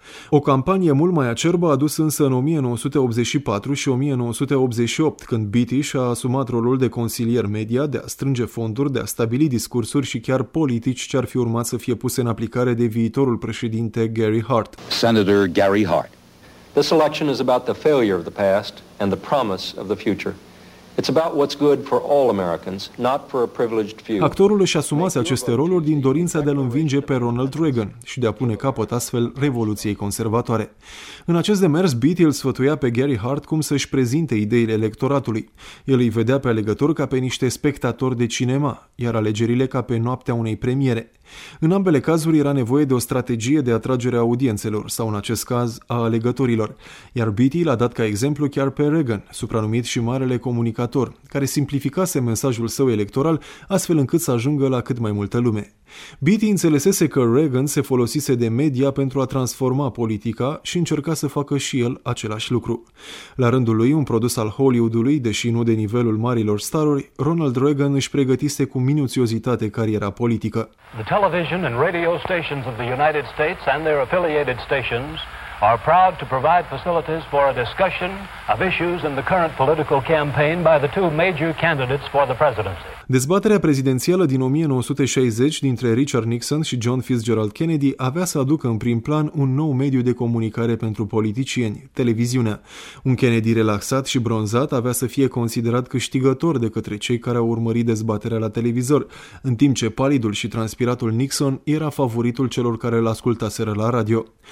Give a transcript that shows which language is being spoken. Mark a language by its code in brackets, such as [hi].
[ro] O campanie mult mai acerbă a dus însă în 1984 și 1988, când Beatty și-a asumat rolul de consilier media, de a strânge fonduri, de a stabili discursuri și chiar politici ce ar fi urmat să fie puse în aplicare de viitorul președinte Gary Hart. [en] Senator Gary Hart. This election is about the failure of the past and the promise of the future. It's about what's good for all Americans, not for a privileged few. [ro] Actorul își asumase aceste roluri din dorința de a-l învinge pe Ronald Reagan și de a pune capăt astfel revoluției conservatoare. În acest demers, Beatty îl sfătuia pe Gary Hart cum să-și prezinte ideile electoratului. El îi vedea pe alegători ca pe niște spectatori de cinema, iar alegerile ca pe noaptea unei premiere. În ambele cazuri era nevoie de o strategie de atragere a audiențelor, sau în acest caz a alegătorilor, iar Beatty l-a dat ca exemplu chiar pe Reagan, supranumit și Marele Comunicator, care simplificase mesajul său electoral astfel încât să ajungă la cât mai multă lume. Beatty înțelesese că Reagan se folosise de media pentru a transforma politica și încerca să facă și el același lucru. La rândul lui, un produs al Hollywood-ului, deși nu de nivelul marilor staruri, Ronald Reagan își pregătise cu minuțiozitate cariera politică. [en] The television and radio stations of the United States and their affiliated stations are proud to provide facilities for a discussion of issues in the current political campaign by the two major candidates for the presidency. [ro] Dezbaterea prezidențială din 1960 dintre Richard Nixon și John Fitzgerald Kennedy avea să aducă în prim plan un nou mediu de comunicare pentru politicieni, televiziunea. Un Kennedy relaxat și bronzat avea să fie considerat câștigător de către cei care au urmărit dezbaterea la televizor, în timp ce palidul și transpiratul Nixon era favoritul celor care îl ascultaseră la radio.